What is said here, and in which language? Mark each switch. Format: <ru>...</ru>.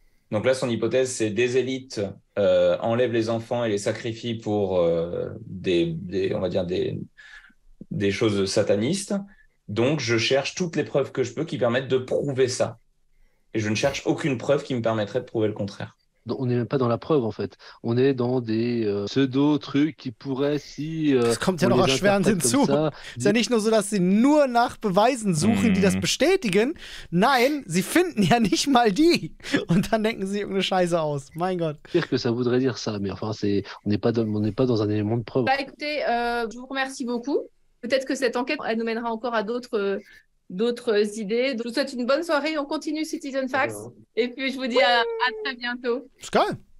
<fr>Donc là, son hypothèse, c'est des élites enlèvent les enfants et les sacrifient pour des choses satanistes. Donc, je cherche toutes les preuves que je peux qui permettent de prouver ça. Et je ne cherche aucune preuve qui me permettrait de prouver le contraire. On n'est même pas dans la preuve, en fait. On est dans des pseudo-trucs qui pourraient, si...</fr> <de>Es kommt ja noch erschwerend hinzu. Es ist ja nicht nur so, dass sie nur nach Beweisen suchen, die das bestätigen. Nein, sie finden ja nicht mal die. Und dann denken sie irgendeine Scheiße aus. Mein Gott.</de> <fr>Pire que ça voudrait dire ça, mais enfin, c'est, on n'est pas dans un élément de preuve. Bah écoutez, je vous remercie beaucoup. Peut-être que cette enquête, elle nous mènera encore à d'autres idées. Je vous souhaite une bonne soirée. On continue Citizen Facts. Et puis, je vous dis à très bientôt. C'est cool.</fr>